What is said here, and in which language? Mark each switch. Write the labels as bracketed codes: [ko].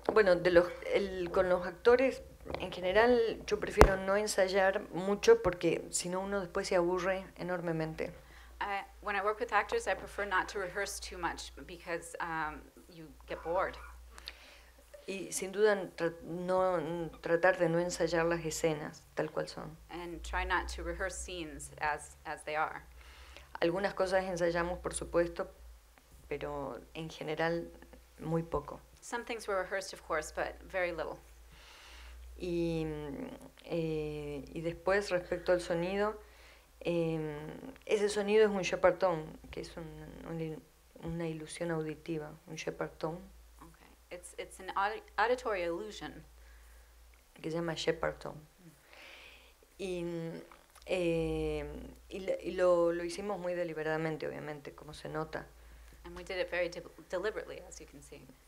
[es] Bueno, con los actores, en general, yo prefiero no ensayar mucho porque si no uno después se aburre enormemente. [en] When I work with actors, I prefer not to rehearse too much because you get bored. [es] Y sin duda tratar de no ensayar las escenas tal cual son. [en] And try not to rehearse scenes as they are. [es] Algunas cosas ensayamos, por supuesto, pero en general muy poco. [en] Some things were rehearsed, of course, but very little. [es] Y después, respecto al sonido, ese sonido es un Shepard tone, que es una ilusión auditiva, un Shepard tone. [en] It's an auditory illusion. [es] Que se llama Shepard tone. Y lo hicimos muy deliberadamente, obviamente, como se nota. [en] And we did it very deliberately, as you can see.